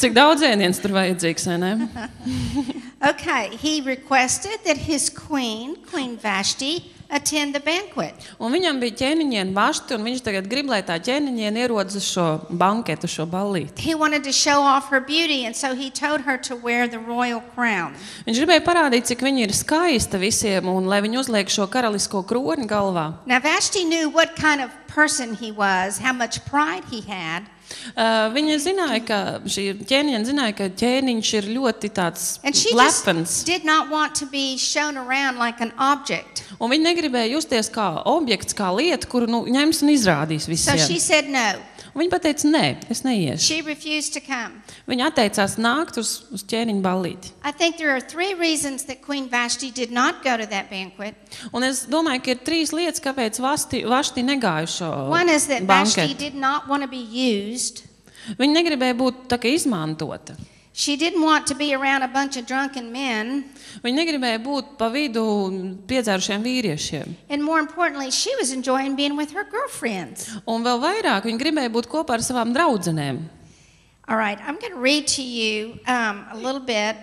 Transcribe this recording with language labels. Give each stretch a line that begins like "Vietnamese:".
Latvian: Cik daudz ēdienas tur vajadzīgs, vai ne?
English: Okay, he requested that his queen, Queen Vashti, attend the banquet.
Latvian: Un viņam bija ķēniņiena Vašti, un viņš tagad grib, lai tā ķēniņiena ierodas uz šo banketu, šo ballīti.
English: He wanted to show off her beauty, and so he told her to wear the royal crown.
Latvian: Viņš gribēja parādīt, cik viņa ir skaista visiem, un lai viņa uzliek šo karalisko kroni galvā.
English: Now Vashti knew what kind of person he was, how much pride he had.
Latvian: Viņa zināja, ka šī ķēniņiena zināja, ka ķēniņš ir ļoti tāds lepns.
English: Did not want to be shown around like an object.
Latvian: Un viņa negribēja justies kā objekts, kā lieta, kuru nu, ņems un izrādīs visiem.
English: So she said no.
Latvian: Un viņa pateica, nē, es neiešu.
English: She refused to come.
Latvian: Viņa atteicās nākt uz ķēniņa ballīti.
English: I think there are three reasons that Queen Vashti did not go to that banquet.
Latvian: Un es domāju, ka ir trīs lietas, kāpēc Vashti negāja šo banketu.
English: One is that Vashti did not want to be used.
Latvian: Viņa negribēja būt tā kā izmantota.
English: She didn't want to be around a bunch of drunken men.
Latvian: Viņa negribēja būt pa vidu piedzērušiem vīriešiem.
English: And more importantly, she was enjoying being with her girlfriends.
Latvian: Un vēl vairāk, viņa gribēja būt kopā ar savām draudzenēm.
English: All right, I'm going to read to you a little bit